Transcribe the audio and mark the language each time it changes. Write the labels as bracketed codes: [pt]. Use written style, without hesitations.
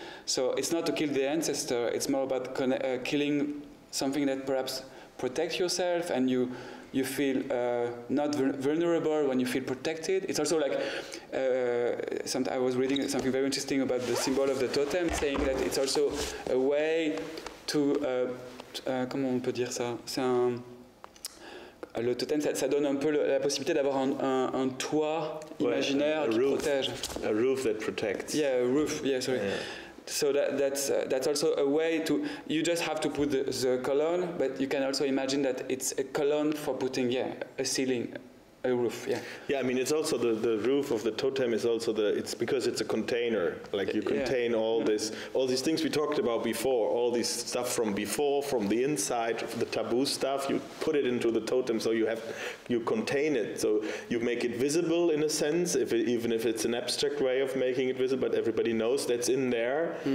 [en] So it's not to kill the ancestor, it's more about killing something that perhaps protects yourself, and you feel not vulnerable when you feel protected. It's also like, I was reading something very interesting about the symbol of the totem, saying that it's also a way to, [fr] comment on peut dire ça? Le totem, ça donne un peu la possibilité d'avoir un toit imaginaire qui protège. [en] A roof that protects. Yeah, a roof, yeah, sorry. Yeah. So that's also a way to, you just have to put the colon, but you can also imagine that it's a colon for putting a ceiling, a roof, yeah. Yeah, I mean, it's also the roof of the totem is also the, it's because it's a container, like you contain all this, all these things we talked about before, all this stuff from before, from the inside, the taboo stuff, you put it into the totem, so you have, you contain it, so you make it visible in a sense, if it, even if it's an abstract way of making it visible, but everybody knows that's in there.